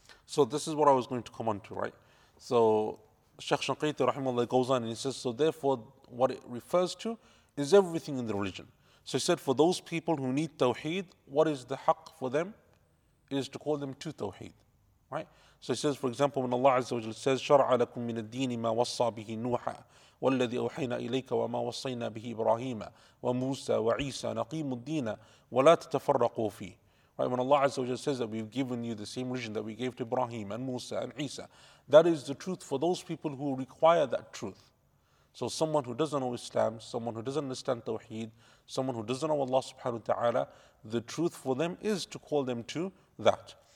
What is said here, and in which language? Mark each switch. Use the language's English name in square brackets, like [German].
[English] So this is what I was going to come on to, right? So Sheikh Shanqiti rahimahullah goes on and he says, so therefore, what it refers to is everything in the religion. So he said, for those people who need tawheed, what is the haqq for them? It is to call them to tawheed, right? So he says, for example, when Allah Azza wa Jalla says, [Arabic] شَرْعَ لَكُم مِّنَ الدِّينِ مَا وَصَّى بِهِ نُوحًا وَالَّذِي أَوْحَيْنَا إِلَيْكَ وَمَا وَصَّيْنَا بِهِ إِبْرَاهِيمَ وَمُوسَى وَعِيسَى نَقِيمُ الدِّينَ وَلَا تَتَفَرَّقُوا فِيهِ. [English] Right, when Allah Azza wa Jalla says that we've given you the same religion that we gave to Ibrahim and Musa and Isa, that is the truth for those people who require that truth. So someone who doesn't know Islam, someone who doesn't understand Tawheed, someone who doesn't know Allah subhanahu wa ta'ala, the truth for them is to call them to that.